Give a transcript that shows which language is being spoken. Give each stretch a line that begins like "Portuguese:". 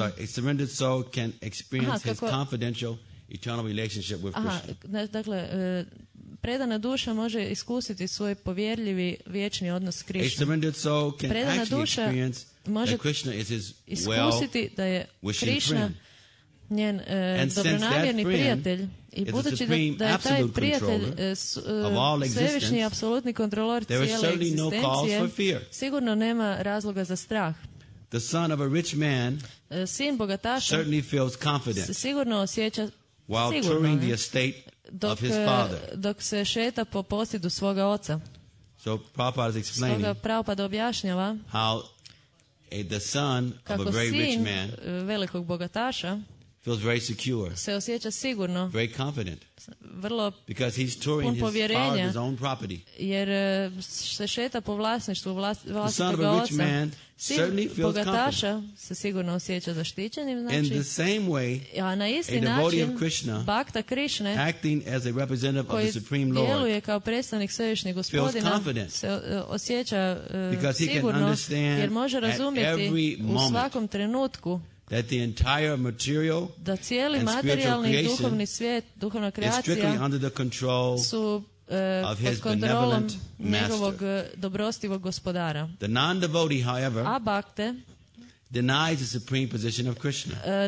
English: Sorry, a surrendered soul can experience his confidential eternal relationship with Krishna.
Croatian: Aha, dakle, predana duša može iskusiti svoj povjerljivi vječni odnos s Krishnom.
English: A surrendered soul can
Croatian: predana
English: actually experience Krishna is his well
Croatian: da je Krishna njen dobronamjerni prijatelj i budući da je taj prijatelj svevišnji apsolutni kontrolor cijele egzistencije, sigurno nema razloga za strah.
English: The son of a rich man
Croatian: sin bogataša
English: certainly feels confident.
Croatian: Sigurno osjeća
English: while
Croatian: sigurno,
English: touring the estate of his father.
Croatian: Dok se šeta po posjedu svoga oca.
English: So Prabhupada is explaining
Croatian: stoga Prabhupada objašnjava
English: how the son of a very rich man
Croatian: velikog bogataša
English: feels very secure.
Croatian: Se osjeća sigurno.
English: Very confident.
Croatian: Vrlo.
English: Because he's touring his own property.
Croatian: Jer se šeta po vlasništvu vlastitoga oca.
English: The son of a rich man certainly feels confident.
Croatian: Bogataša se sigurno osjeća zaštićenim, znači.
English: In the same way,
Croatian: a na isti a način,
English: of Krishna,
Croatian: Bhakta Krishna,
English: acting as a representative of the Supreme Lord,
Croatian: djeluje kao predstavnik svevišnjeg gospodina, se osjeća sigurno, jer može razumjeti u svakom trenutku
English: that the entire material
Croatian: da cijeli materijalni i duhovni svijet, duhovna kreacija su pod kontrolom njegovog dobrostivog gospodara.
English: The non-devotee, however,
Croatian: a bhakte
English: denies the supreme position of Krishna.